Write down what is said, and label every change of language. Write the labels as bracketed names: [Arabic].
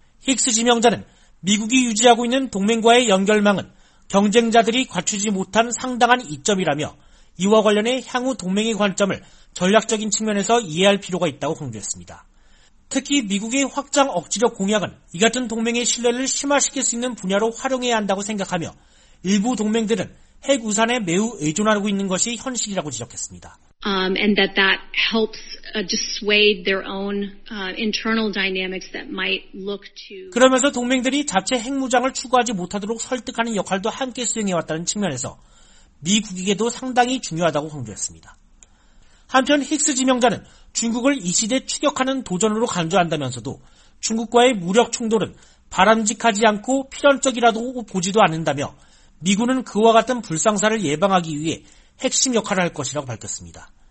[Korean] 힉스 지명자는 미국이 유지하고 있는 동맹과의 연결망은 경쟁자들이 갖추지 못한 상당한 이점이라며 이와 관련해 향후 동맹의 관점을 전략적인 측면에서 이해할 필요가 있다고 강조했습니다. 특히 미국의 확장 억지력 공약은 이 같은 동맹의 신뢰를 심화시킬 수 있는 분야로 활용해야 한다고 생각하며 일부 동맹들은 핵 우산에 매우 의존하고 있는 것이 현실이라고 지적했습니다. [English] And that that helps dissuade their own internal dynamics that might look to. [Korean] 그러면서 동맹들이 자체 핵무장을 추구하지 못하도록 설득하는 역할도 함께 수행해왔다는 측면에서 미 국익에도 상당히 중요하다고 강조했습니다. 한편 힉스 지명자는 중국을 이 시대 추격하는 도전으로 간주한다면서도 중국과의 무력 충돌은 바람직하지 않고 필연적이라도 보지도 않는다며 미군은 그와 같은 불상사를 예방하기 위해 핵심 역할을 할 것이라고 밝혔습니다.